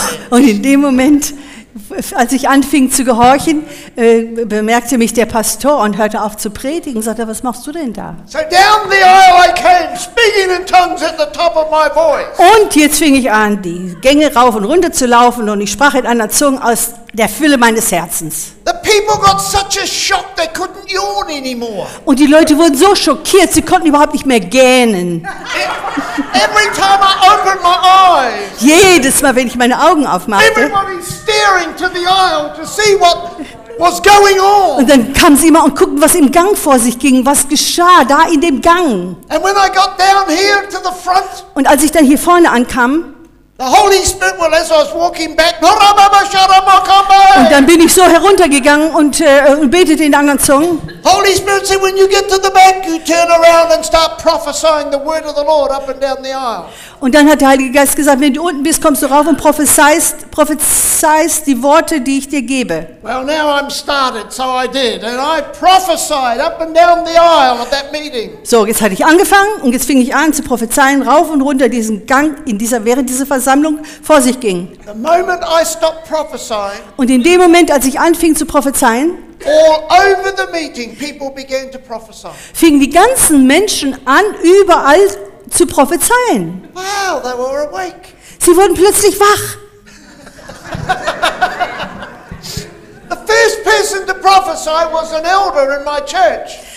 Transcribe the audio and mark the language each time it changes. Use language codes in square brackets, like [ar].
[de] Und in dem Moment, als ich anfing zu gehorchen, bemerkte mich der Pastor und hörte auf zu predigen und sagte, was machst du denn da? [en] So down the aisle I came, speaking in tongues at the top of my voice. [de] Und jetzt fing ich an, die Gänge rauf und runter zu laufen und ich sprach in einer Zunge aus der Fülle meines Herzens. [en] The people got such a shock, they couldn't yawn anymore. [de] Und die Leute wurden so schockiert, sie konnten überhaupt nicht mehr gähnen. [en] Every time I opened my eyes, [de] jedes Mal, wenn ich meine Augen aufmachte, [en] everybody staring to the aisle to see what was going on. [de] Und dann kamen sie immer und guckten, was im Gang vor sich ging, was geschah da in dem Gang. [en] And when I got down here to the front, [de] und als ich dann hier vorne ankam, [en] the Holy Spirit, well, as I was walking back, [de] und dann bin ich so heruntergegangen und betete in anderen Zungen. [en] Holy Spirit said, when you get to the back, you turn around and start prophesying the word of the Lord up and down the aisle. [de] Und dann hat der Heilige Geist gesagt, wenn du unten bist, kommst du rauf und prophezeist die Worte, die ich dir gebe. [en] Well, now I'm started, so I did, and I prophesied up and down the aisle at that meeting. [de] So, jetzt hatte ich angefangen und jetzt fing ich an zu prophezeien rauf und runter diesen Gang in dieser während dieser Versammlung vor sich ging. [en] The moment I stopped prophesying, [de] und in dem Moment, als ich anfing zu prophezeien, [en] all over the meeting, people began to prophesy. [de] Fingen die ganzen Menschen an, überall zu prophezeien. [en] Wow, they were awake. [de] Sie wurden plötzlich wach. [en] The first person to prophesy was an elder in my church.